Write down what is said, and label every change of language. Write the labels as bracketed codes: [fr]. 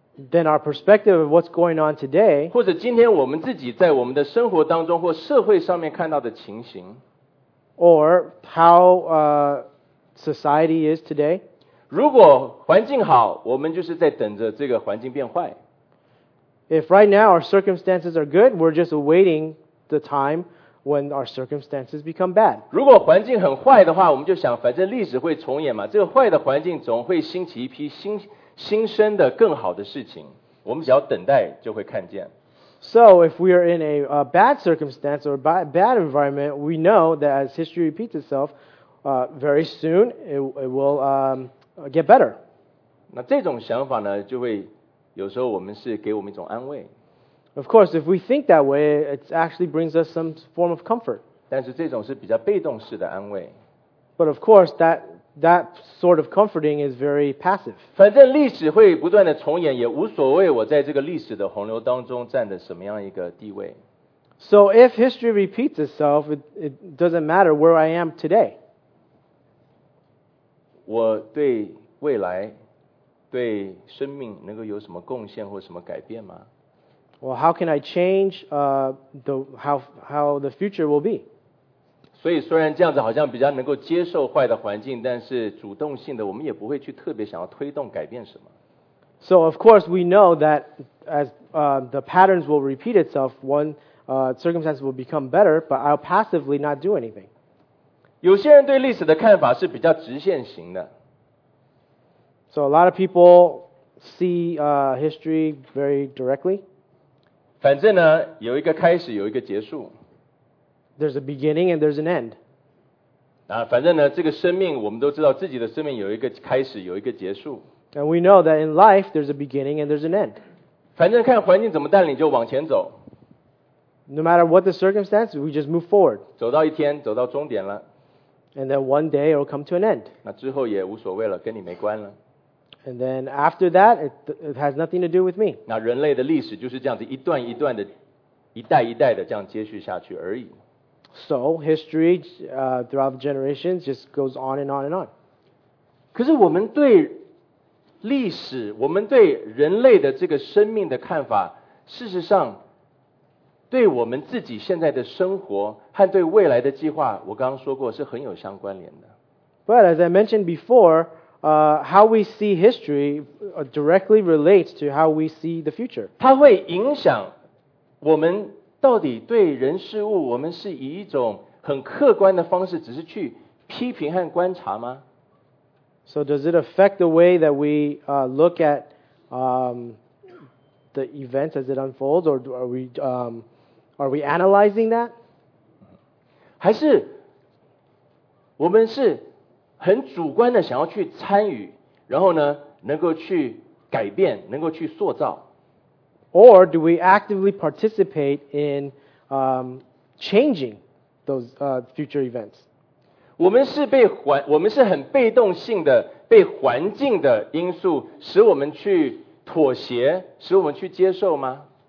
[en] Then our perspective of what's going on today, [zh] 或者今天我们自己在我们的生活当中或社会上面看到的情形 [en] or how society is today, [zh] 如果环境好，我们就是在等着这个环境变坏。 [en] If right now our circumstances are good, we're just awaiting the time when our circumstances become bad. [zh] 如果环境很坏的话，我们就想，反正历史会重演嘛。这个坏的环境总会兴起一批新生的更好的事情。我们只要等待，就会看见。 [en] So if we are in a bad circumstance or bad environment, we know that as history repeats itself, very soon it will get better. [zh] 那这种想法呢，就会有时候我们是给我们一种安慰。 [en] Of course, if we think that way, it actually brings us some form of comfort. [zh] 但是这种是比较被动式的安慰。 [en] But of course, that sort of comforting is very passive. [zh] 反正历史会不断的重演，也无所谓我在这个历史的洪流当中占的什么样一个地位。 [en] So if history repeats itself, it doesn't matter where I am today. [zh] 我对未来，对生命能够有什么贡献或什么改变吗？ [en] Well, how can I change how the future will be? [zh] 所以虽然这样子好像比较能够接受坏的环境，但是主动性的我们也不会去特别想要推动改变什么。 [en] So of course we know that as the patterns will repeat itself, one circumstance will become better, but I'll passively not do anything. [zh] 有些人对历史的看法是比较直线型的。 [en] So a lot of people see history very directly. [zh] 反正呢，有一个开始，有一个结束。 [en] There's a beginning and there's an end. [zh] 啊，反正呢，这个生命我们都知道，自己的生命有一个开始，有一个结束。 [en] And we know that in life there's a beginning and there's an end. [zh] 反正看环境怎么带领，就往前走。 [en] No matter what the circumstances, we just move forward. [zh] 走到一天，走到终点了。 [en] And then one day it'll come to an end. [zh] 那之后也无所谓了，跟你没关了。 [en] And then after that, it has nothing to do with me. [zh] 那人类的历史就是这样子一段一段的，一代一代的这样接续下去而已。 [en] So history, throughout the generations, just goes on and on and on. [zh] 可是我们对历史，我们对人类的这个生命的看法，事实上，对我们自己现在的生活和对未来的计划，我刚刚说过是很有相关联的。 [en] But as I mentioned before. How we see history directly relates to how we see the future. [zh] 它会影响我们到底对人事物，我们是以一种很客观的方式，只是去批评和观察吗？ [en] So does it affect the way that we look at the events as it unfolds, or are we analyzing that? [zh] 还是我们是？很主观的想要去参与，然后呢，能够去改变，能够去塑造。 [en] Or do we actively participate in changing those future events? [zh] 我们是很被动性的，被环境的因素使我们去妥协，使我们去接受吗？